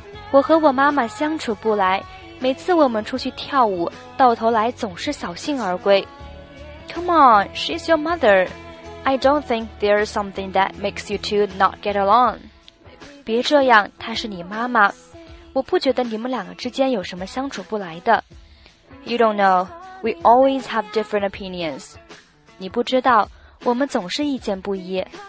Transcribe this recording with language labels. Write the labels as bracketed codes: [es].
[zh] 我和我妈妈相处不来，每次我们出去跳舞，到头来总是扫兴而归。 [en] Come on, she's your mother. I don't think there's something that makes you two not get along. [zh] 别这样，她是你妈妈。我不觉得你们两个之间有什么相处不来的。 [en] You don't know, we always have different opinions. [zh] 你不知道我们总是意见不一。